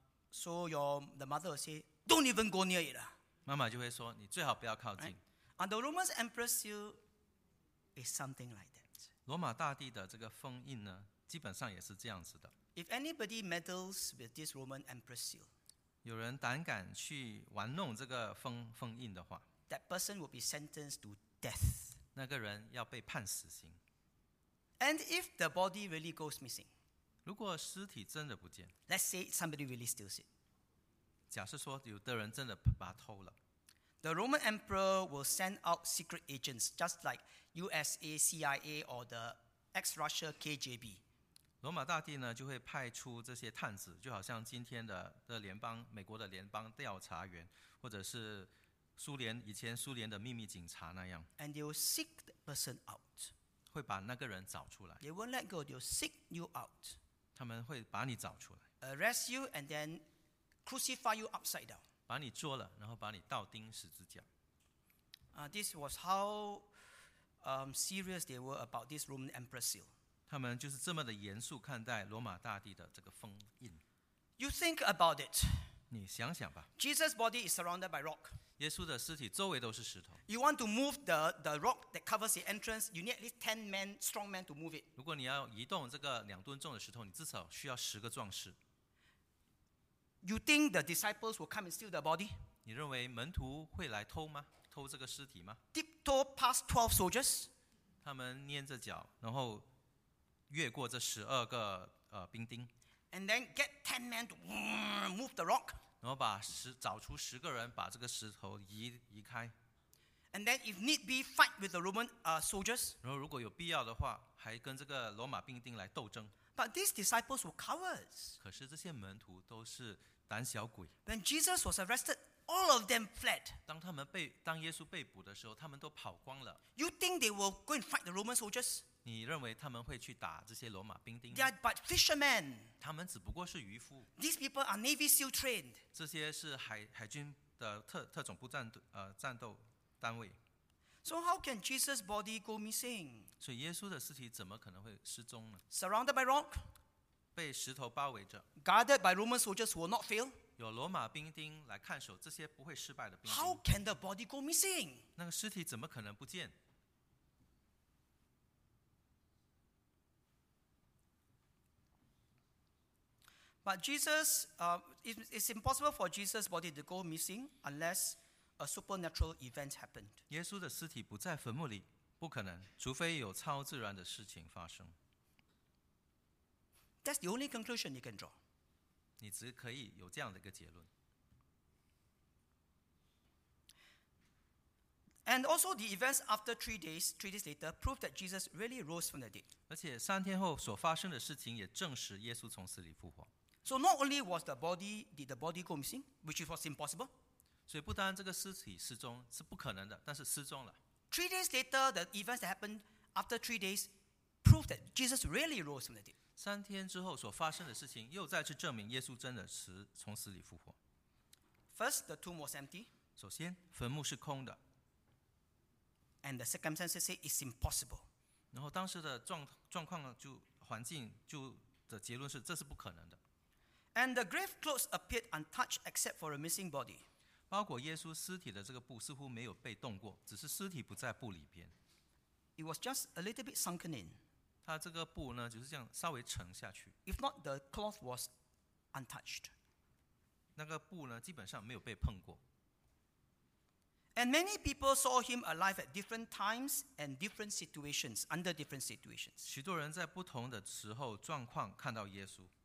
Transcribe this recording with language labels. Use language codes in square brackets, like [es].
[en] So the mother will say, don't even go near it. [zh] 妈妈就会说, 你最好不要靠近。 [en] Right? And the Roman Emperor's seal is something like that. [zh] 罗马大帝的这个封印呢, 基本上也是这样子的。 [en] If anybody meddles with this Roman Emperor's seal, [zh] 有人胆敢去玩弄这个封印的话, [en] that person will be sentenced to death. [zh] 那个人要被判死刑。 [en] And if the body really goes missing, [zh] 如果尸体真的不见, [en] let's say somebody really steals it, [zh] 假设说有的人真的把它偷了, [en] the Roman Emperor will send out secret agents just like USA, CIA or the ex-Russia KGB. [zh] 罗马大帝呢就会派出这些探子, 就好像今天的美国的联邦调查员, 或者是 苏联以前苏联的秘密警察那样, [en] and they will seek the person out. [zh] 会把那个人找出来。 [en] They won't let go. They will seek you out. [zh] 他们会把你找出来。 [en] Arrest you and then crucify you upside down. [zh] 把你捉了，然后把你倒钉十字架。 [en] This was how serious they were about this Roman Emperor seal. [zh] 他们就是这么的严肃看待罗马大帝的这个封印。 [en] You think about it. [zh] 你想想吧。 [en] Jesus' body is surrounded by rock. [zh] 耶稣的尸体周围都是石头。 [en] You want to move the rock that covers the entrance, you need at least 10 men, strong men to move it. [zh] 如果你要移动这个两吨重的石头，你至少需要十个壮士。 [en] You think the disciples will come and steal the body? [zh] 你认为门徒会来偷吗？偷这个尸体吗？ [en] Tiptoe past 12 soldiers. [zh] 他们捏着脚，然后越过这十二个兵丁。 [en] And then get 10 men to move the rock. [zh] 然后把找出十个人把这个石头移开。 [en] And then if need be fight with the Roman soldiers. [zh] 然后如果有必要的话，还跟这个罗马兵丁来斗争。 [en] But these disciples were cowards. [zh] 可是这些门徒都是胆小鬼。 [en] When Jesus was arrested, all of them fled. [zh] 当耶稣被捕的时候，他们都跑光了。 [en] You think they will go and fight the Roman soldiers? [zh] 你认为他们会去打这些罗马兵丁？ [en] They are but fishermen. [zh] 他们只不过是渔夫。 [en] These people are Navy SEAL trained. [zh] 这些是海军的特种部战斗单位。 [en] So how can Jesus' body go missing? [zh] 所以耶稣的尸体怎么可能会失踪呢？ [en] Surrounded by rock, [zh] 被石头包围着。 [en] Guarded by Roman soldiers who will not fail, [zh] 有罗马兵丁来看守这些不会失败的兵丁。 [en] How can the body go missing? [zh] 那个尸体怎么可能不见？ [en] But Jesus, it's impossible for Jesus' body to go missing unless a supernatural event happened. [zh] 耶稣的尸体不在坟墓里，不可能，除非有超自然的事情发生。 [en] That's the only conclusion you can draw. [zh] 你只可以有这样的一个结论。 [en] And also the events after three days later proved that Jesus really rose from the dead. [zh] 而且三天后所发生的事情也证实耶稣从死里复活。 [en] So not only was did the body go missing, which was impossible. [zh] 所以不单这个尸体失踪是不可能的，但是失踪了。 [en] Three days later, the events that happened after 3 days proved that Jesus really rose from the dead. [zh] 三天之后所发生的事情又再次证明耶稣真的是从死里复活。 [en] First, the tomb was empty. [zh] 首先，坟墓是空的。 [en] And the circumstances say it's impossible. [zh] 然后当时的状况就环境就的结论是这是不可能的。 [en] And the grave clothes appeared untouched except for a missing body. [zh] 包裹耶稣尸体的这个布似乎没有被动过，只是尸体不在布里边。 [en] It was just a little bit sunken in. [zh] 它这个布呢，就是这样稍微沉下去。 [en] If not, the cloth was untouched. [zh] 那个布呢，基本上没有被碰过。 [en] And many people saw him alive at different times and different situations, under different situations. [zh] 许多人在不同的时候状况看到耶稣。